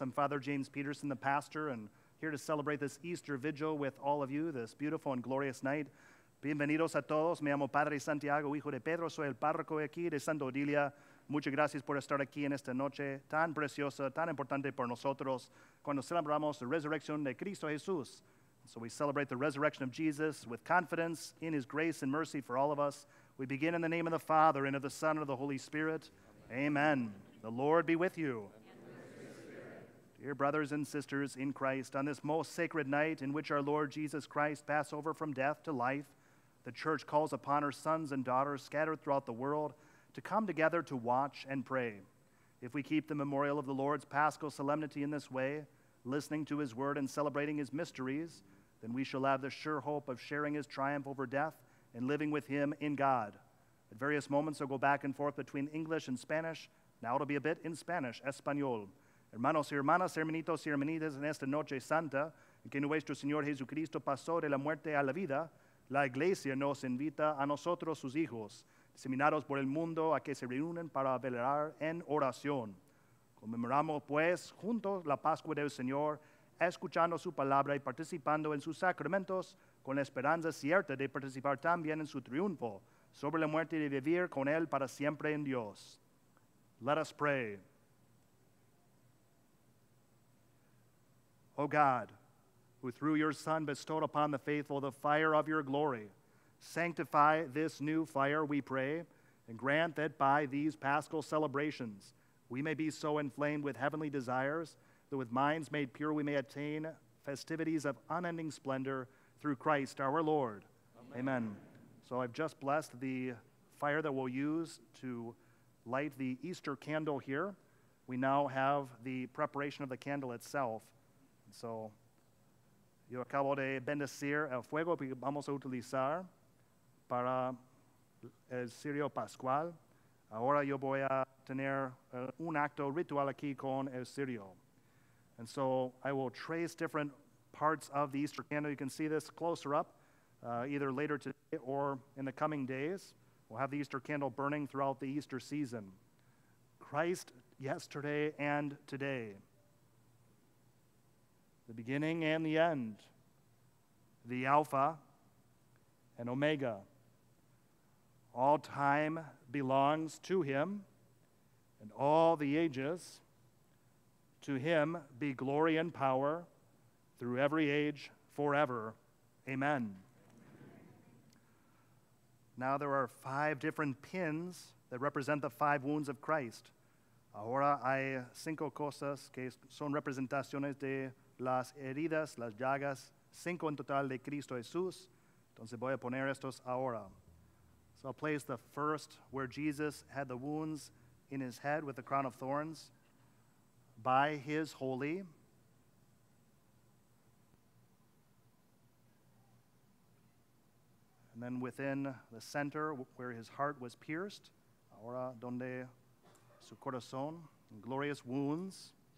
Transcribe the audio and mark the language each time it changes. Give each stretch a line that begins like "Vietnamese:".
English: I'm Father James Peterson, the pastor, and here to celebrate this Easter vigil with all of you, this beautiful and glorious night.
Spanish: Bienvenidos a todos. Me llamo Padre Santiago, hijo de Pedro. Soy el párroco aquí de Santa Odilia. Muchas gracias por estar aquí en esta noche tan preciosa, tan importante por nosotros, cuando celebramos la resurrección de Cristo Jesús.
English: So we celebrate the resurrection of Jesus with confidence in his grace and mercy for all of us. We begin in the name of the Father, and of the Son, and of the Holy Spirit. Amen. Amen. The Lord be with you. Dear brothers and sisters in Christ, on this most sacred night in which our Lord Jesus Christ passed over from death to life, the Church calls upon her sons and daughters scattered throughout the world to come together to watch and pray. If we keep the memorial of the Lord's Paschal solemnity in this way, listening to his word and celebrating his mysteries, then we shall have the sure hope of sharing his triumph over death and living with him in God. At various moments, I'll go back and forth between English and Spanish. Now it'll be a bit in Spanish, Español.
Spanish: Hermanos y hermanas, hermanitos y hermanitas, en esta noche santa, en que nuestro Señor Jesucristo pasó de la muerte a la vida, la Iglesia nos invita a nosotros, sus hijos, diseminados por el mundo, a que se reúnen para velar en oración. Conmemoramos, pues, juntos la Pascua del Señor, escuchando su palabra y participando en sus sacramentos, con la esperanza cierta de participar también en su triunfo sobre la muerte y de vivir con él para siempre en Dios.
English: Let us pray. O God, who through your Son bestowed upon the faithful the fire of your glory, sanctify this new fire, we pray, and grant that by these Paschal celebrations we may be so inflamed with heavenly desires that with minds made pure we may attain festivities of unending splendor through Christ our Lord. Amen. Amen. So I've just blessed the fire that we'll use to light the Easter candle here. We now have the preparation of the candle itself.
Spanish: So, yo acabo de bendecir el fuego que vamos a utilizar para el cirio pascual. Ahora yo voy a tener un acto ritual aquí con el cirio.
English: And so I will trace different parts of the Easter candle. You can see this closer up, either later today or in the coming days. We'll have the Easter candle burning throughout the Easter season. Christ yesterday and today, the beginning and the end, the Alpha and Omega. All time belongs to him, and all the ages. To him be glory and power through every age, forever. Amen. Now there are five different pins that represent the five wounds of Christ.
Spanish: Ahora hay cinco cosas que son representaciones de las heridas, las llagas, cinco en total de Cristo Jesús. Entonces voy a poner estos ahora.
English: So I'll place the first where Jesus had the wounds in his head with the crown of thorns. By his holy, and then within the center where his heart was pierced,
Spanish: ahora donde su corazón,
English: glorious wounds.